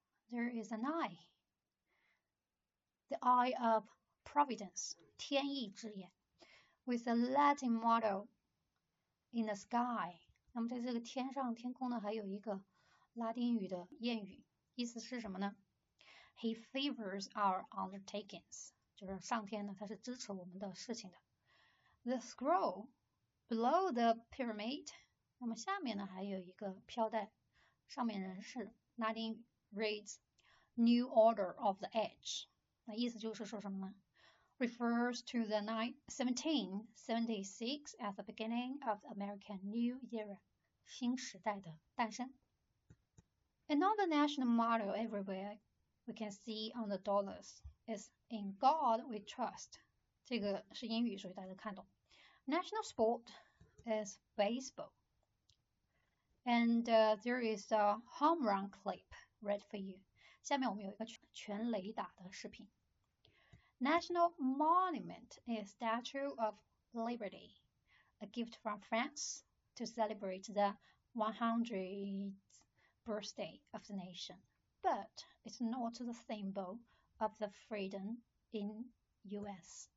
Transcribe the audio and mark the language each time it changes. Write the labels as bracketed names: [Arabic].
[English] There is an eye, the eye of providence, [Chinese] 天意之眼 [English] with a Latin motto in the sky. [Chinese] 那么在这个天上天空呢，还有一个拉丁语的谚语，意思是什么呢？ [English] He favors our undertakings, [Chinese] 就是上天呢，他是支持我们的事情的。 [English] The scroll below the pyramid, [Chinese] 那么下面呢，还有一个飘带，上面人是拉丁语。 [English] Reads New Order of the Age. [Chinese] 那意思就是说什么呢 [English] ？Refers to the 1776 at the beginning of the American New Era, [Chinese] 新时代的诞生。 [English] And on the national motto everywhere we can see on the dollars is In God We Trust. [Chinese] 这个是英语，所以大家都看懂。 [English] National sport is baseball. And there is a home run clip. Read for you. [Chinese] 下面我们有一个全垒打的视频。 [English] National monument is Statue of Liberty, a gift from France to celebrate the 100th birthday of the nation. But it's not the symbol of the freedom in U.S.